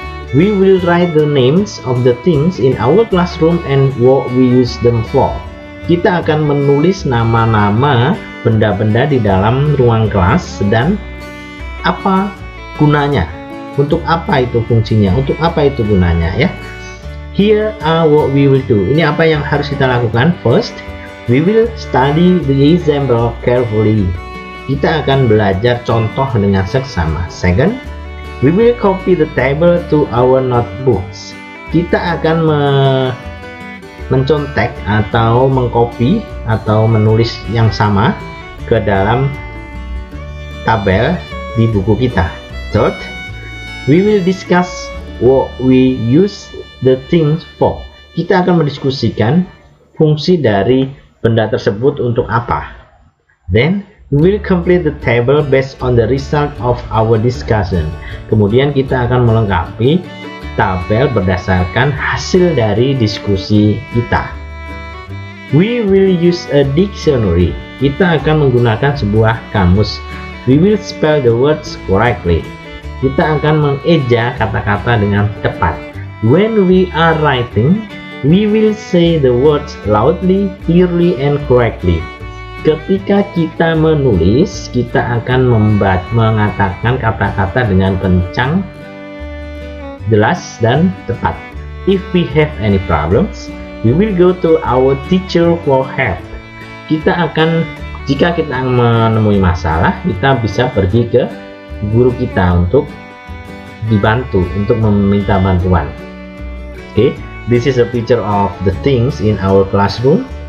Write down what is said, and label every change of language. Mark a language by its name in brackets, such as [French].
[English] We will write the names of the things in our classroom and what we use them for. [Indonesian] Kita akan menulis nama-nama benda-benda di dalam ruang kelas dan apa gunanya. Untuk apa itu fungsinya, untuk apa itu gunanya ya. [English] Here are what we will do. [Indonesian] Ini apa yang harus kita lakukan. [English] First, we will study the example carefully. [Indonesian] Kita akan belajar contoh dengan seksama. [English] Second, we will copy the table to our notebooks. [Indonesian] Kita akan mencontek atau mengcopy atau menulis yang sama ke dalam tabel di buku kita. [English] Third, we will discuss what we use the things for. [Indonesian] Kita akan mendiskusikan fungsi dari benda tersebut untuk apa. [English] Then, we will complete the table based on the result of our discussion. [Indonesian] Kemudian kita akan melengkapi tabel berdasarkan hasil dari diskusi kita. [English] We will use a dictionary. [Indonesian] Kita akan menggunakan sebuah kamus. [English] We will spell the words correctly. [Indonesian] Kita akan mengeja kata-kata dengan tepat. [English] When we are writing, we will say the words loudly, clearly, and correctly. [Indonesian] Ketika kita menulis, kita akan mengatakan kata-kata dengan kencang, jelas, dan tepat. [English] If we have any problems, we will go to our teacher for help. [Indonesian] Jika kita menemui masalah, kita bisa pergi ke guru kita untuk dibantu, untuk meminta bantuan. [English] Okay, this is a picture of the things in our classroom.